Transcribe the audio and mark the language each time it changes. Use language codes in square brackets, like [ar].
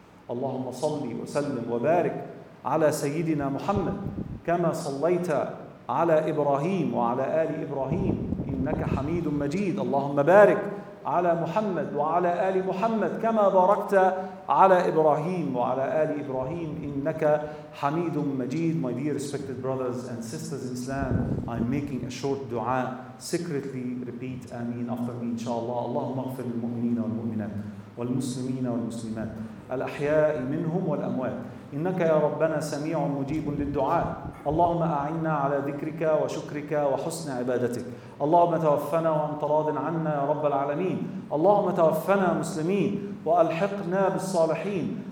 [ar] اللهم صلِّ وسلِّم وبارك على سيدنا محمد كما صليت على إبراهيم وعلى آل إبراهيم إنك حميد مجيد. اللهم بارك على محمد وعلى آل محمد كما باركت على إبراهيم وعلى آل إبراهيم إنك حميد مجيد. [en] My dear respected brothers and sisters in Islam, I'm making a short dua. Secretly repeat Ameen after me inshallah. [ar] اللهم اغفر للمؤمنين والمؤمنات والمسلمين والمسلمات الأحياء منهم والأموات إنك يا ربنا سميع مجيب للدعاء. اللهم أعنا على ذكرك وشكرك وحسن عبادتك. اللهم توفنا وأنت راض عنا يا رب العالمين. اللهم توفنا مسلمين وألحقنا بالصالحين.